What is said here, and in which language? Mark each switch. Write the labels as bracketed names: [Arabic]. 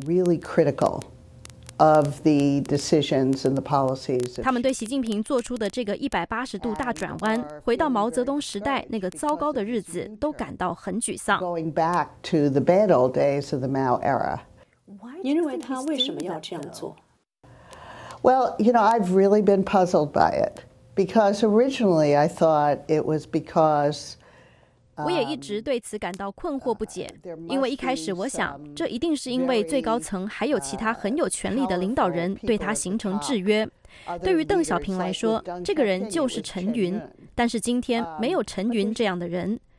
[English] Really critical. Of the decisions and the policies. [Chinese] 他们对习近平做出的这个180度大转弯，回到毛泽东时代那个糟糕的日子，都感到很沮丧。 [English] Going back to the bad old days of the Mao era. [Chinese] 您认为他为什么要这样做 [English] ？Well, you know, I've really been puzzled by it because originally I thought it was because. [Chinese] 我也一直对此感到困惑不解，因为一开始我想，这一定是因为最高层还有其他很有权力的领导人对他形成制约。对于邓小平来说，这个人就是陈云，但是今天没有陈云这样的人，